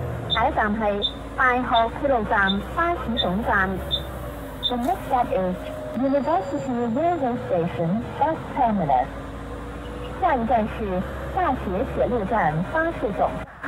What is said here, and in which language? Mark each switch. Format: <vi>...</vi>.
<zh>下一站是大河铁路站巴士总站.</zh> <en>The next stop is University Railway Station, Bus Terminus.</en> <zh>下一站是大学铁路站巴士总站.</zh>